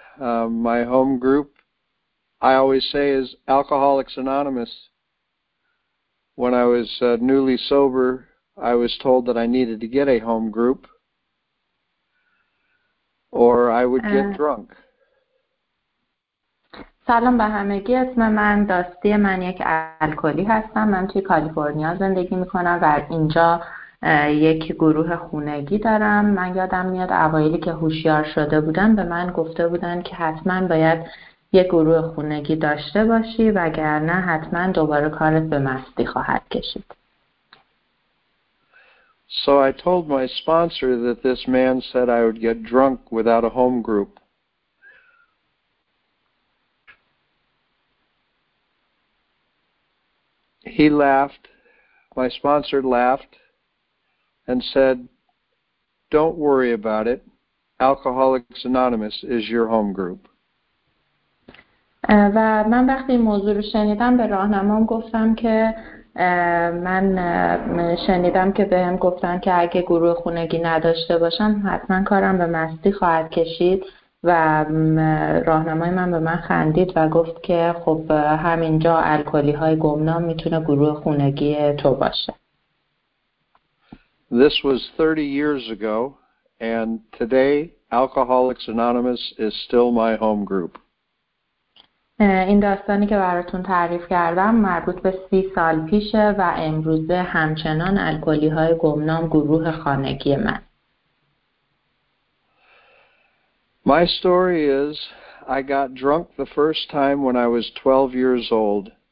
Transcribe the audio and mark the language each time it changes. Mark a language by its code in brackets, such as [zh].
[en] My home group, I always say, is Alcoholics Anonymous. When I was newly sober, I was told that I needed to get a home group or I would get drunk. [fa] سلام به همگی، اسم من داستی، من یک الکلی هستم. من توی کالیفرنیا زندگی میکنم و اینجا یک گروه خونگی دارم. من یادم میاد اوائلی که هوشیار شده بودم به من گفته بودن که حتما باید یک گروه خونگی داشته باشی وگرنه حتما دوباره کارت به مستی خواهد کشید. [en] So I told my sponsor that this man said I would get drunk without a home group. He laughed, my sponsor laughed, and said, don't worry about it, Alcoholics Anonymous is your home group. [fa] و من وقتی این موضوع رو شنیدم به راهنمام گفتم که من شنیدم که به هم گفتن که اگه گروه خونگی نداشته باشن حتما کارم به مستی خواهد کشید و راهنمای من به من خندید و گفت که خب همینجا الکلی های گمنام میتونه گروه خونگی تو باشه. [en] This was 30 years ago and today Alcoholics Anonymous is still my home group. [fa] این داستانی که براتون تعریف کردم مربوط به 30 سال پیشه و امروزه همچنان الکلی های گمنام گروه خانگی من. [en] My story is, I got drunk the first time when I was 12 years old.